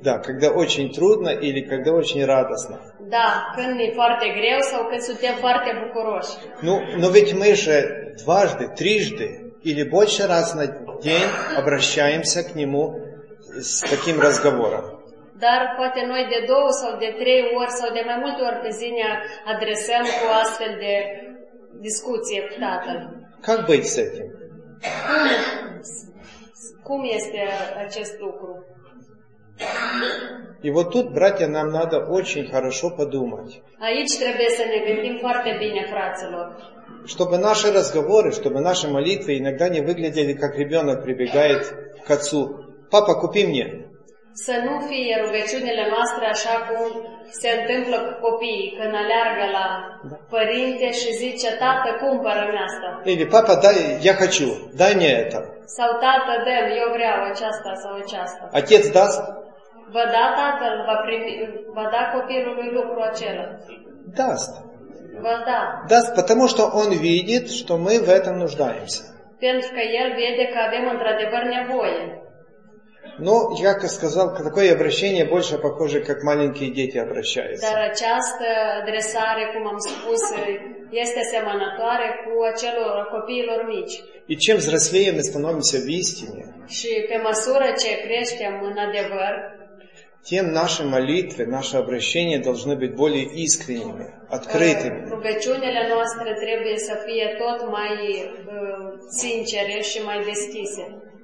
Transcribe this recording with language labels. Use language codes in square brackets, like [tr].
[ru] Да, когда очень трудно или когда очень радостно. [ro] Да, când e foarte greu sau când suntem foarte bucuroși. [ru] Ну, но ведь мы же дважды, трижды или больше раз на день обращаемся к нему с таким разговором. [ro] Dar poate noi de două sau de trei ori sau de mai multe ori pe zi ne adresăm cu astfel de discuție cu Tatăl. [ru] Как быть с этим? [ro] Cum este acest lucru? [ru] И вот тут, братья, нам надо очень хорошо подумать. [ro] Aici trebuie să ne gândim foarte bine, fraților. [ru] Чтобы наши разговоры, чтобы наши молитвы иногда не выглядели, как ребенок прибегает к отцу. Папа, купи мне. [ro] Să nu fie rugăciunile noastre așa cum se întâmplă cu copiii când aleargă la părinte și zice: tată, cumpără-mi asta. [ru] Или папа, дай, я хочу, дай мне это. [ro] Sau tată, дам, eu vreau aceasta sau aceasta. [ru] Отец даст? [ro] Va da tatăl, va primi, va da copilului lucru acela. [ru] Даст. [ro] Va da. [ru] Даст, потому что он видит, что мы в этом нуждаемся. [ro] Pentru că el vede că avem într-adevăr nevoie. [ru] Но, как я сказал, такое обращение больше похоже, как маленькие дети обращаются. [ro] Dar această adresare, cum am spus, este asemănătoare cu acelor copiilor mici. [ru] И чем взрослее мы становимся в истине, [ro] și pe măsură ce creștem în adevăr, [ru] тем наши молитвы, наши обращения должны быть более искренними, открытыми. [ro] Rugăciunile noastre trebuie să fie tot mai sincere și mai deschise.